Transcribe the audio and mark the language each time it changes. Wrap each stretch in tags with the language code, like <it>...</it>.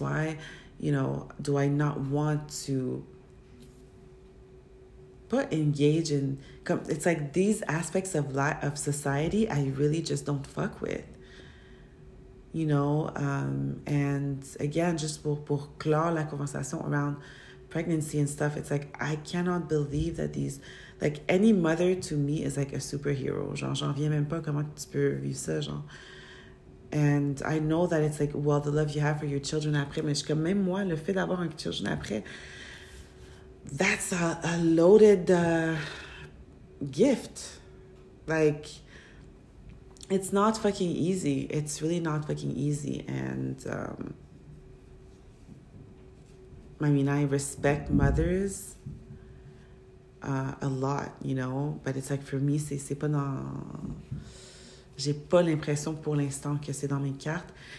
<en>Why, you know, do I not want to, but engage in, comme, it's like these aspects of life, of society, I really just don't fuck with. You know, and again, just</en> <fr>pour clore la conversation</fr> <en>around pregnancy and stuff, it's like, I cannot believe that these, like, any mother to me is like a superhero.</en> <fr>Genre, j'en viens même pas comment tu peux vivre ça, genre.</fr> <en>And I know that it's like, well, the love you have for your children après,</en> <fr>mais je comme, même moi, le fait d'avoir un</fr> <en>children après, that's a loaded gift. Like, it's not fucking easy. It's really not fucking easy. And, I mean, I respect mothers a lot, you know, but it's like, for me,</en> <fr>c'est pas dans... J'ai pas l'impression pour l'instant que c'est dans mes cartes.</fr>